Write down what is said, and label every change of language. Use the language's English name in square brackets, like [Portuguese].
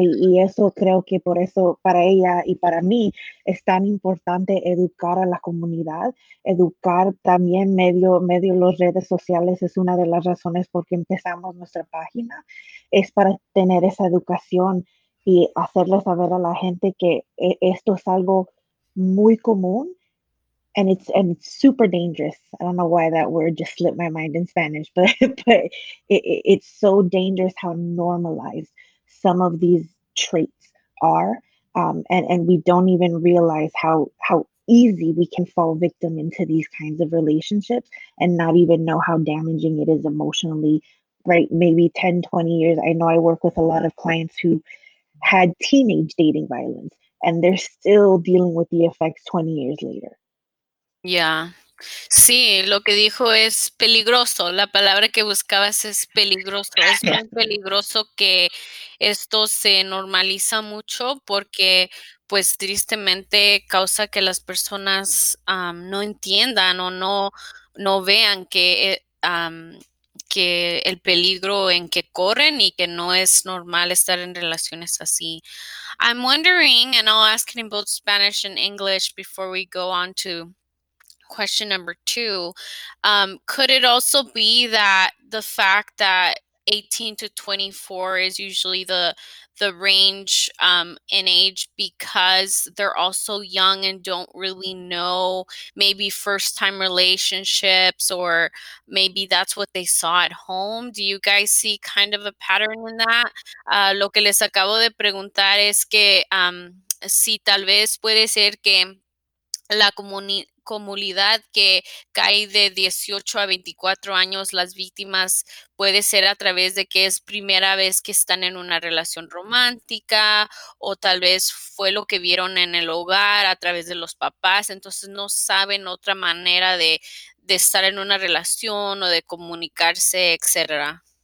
[Spanish] Y eso creo que por eso para ella y para mí es tan importante educar a la comunidad, educar también medio las redes sociales. Es una de las razones por qué empezamos nuestra página, es para tener esa educación y hacerle saber a la gente que esto es algo muy común. [English] And it's super dangerous. I don't know why that word just slipped my mind in Spanish, but it's so dangerous how normalized some of these traits are. And we don't even realize how easy we can fall victim into these kinds of relationships and not even know how damaging it is emotionally, right? Maybe 10, 20 years. I know I work with a lot of clients who had teenage dating violence and they're still dealing with the effects 20 years later. Ya, yeah. [Spanish] Sí, lo que dijo es peligroso, la palabra que buscabas es peligroso, es muy peligroso que esto se normaliza mucho porque pues tristemente causa que las personas no entiendan o no vean que el peligro en que corren y que no es normal estar en relaciones así. [English] I'm wondering, and I'll ask it in both Spanish and English before we go on to question number two, could it also be that the fact that 18 to 24 is usually the range in age because they're also young and don't really know, maybe first time relationships, or maybe that's what they saw at home? Do you guys see kind of a pattern in that? [Spanish] Lo que les acabo de preguntar es que si tal vez puede ser que la comunidad que cae de 18 a 24 años, las víctimas, puede ser a través de que es primera vez que están en una relación romántica, o tal vez fue lo que vieron en el hogar a través de los papás, entonces no saben otra manera de estar en una relación o de comunicarse, etcétera.